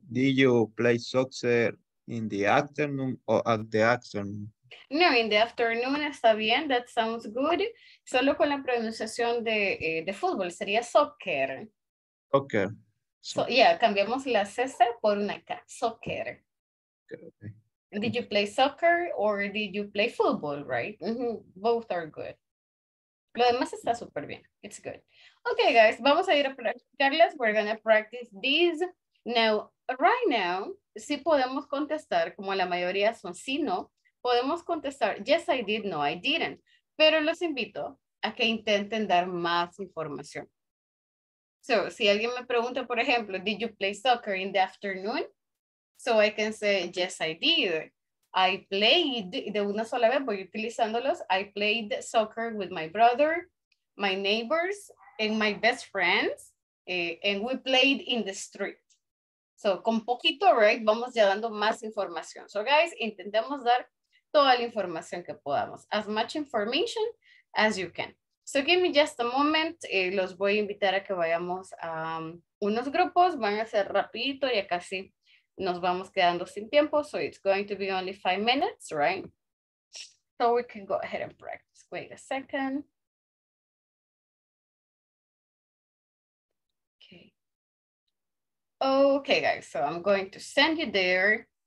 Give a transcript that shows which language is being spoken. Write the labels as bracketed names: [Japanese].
[English] Did you play soccer in the afternoon or at the afternoon? No, in the afternoon [Spanish] está bien. [English] That sounds good. [Spanish] Solo con la pronunciación de fútbol sería soccer. [English] Soccer. [Spanish] So, yeah, cambiamos la C por una K. Soccer. Okay. [English] Did you play soccer or did you play football, right? Both are good. [Spanish] Lo demás está súper bien. [English] It's good. Okay, guys, [Spanish] vamos a ir a practicarlas. [English] We're going to practice these. Now, right now, [Spanish] sí podemos contestar, como la mayoría son sí, no, podemos contestar, [English] yes, I did, no, I didn't. [Spanish] Pero los invito a que intenten dar más información. So, si alguien me pregunta, por ejemplo, [English] did you play soccer in the afternoon? So I can say, yes, I did. I played, [Spanish] de una sola vez voy utilizándolos, [English] I played soccer with my brother, my neighbors, and my best friends, and we played in the street. [Spanish] So con poquito, right, vamos ya dando más información. So guys, intentemos dar toda la información que podamos. [English] As much information as you can. So give me just a moment. [Spanish] Los voy a invitar a que vayamos a unos grupos. Van a ser rapidito y casi nos vamos quedando sin tiempo. [English] So it's going to be only 5 minutes, right? So we can go ahead and practice. Wait a second. Okay, guys, so I'm going to send you there.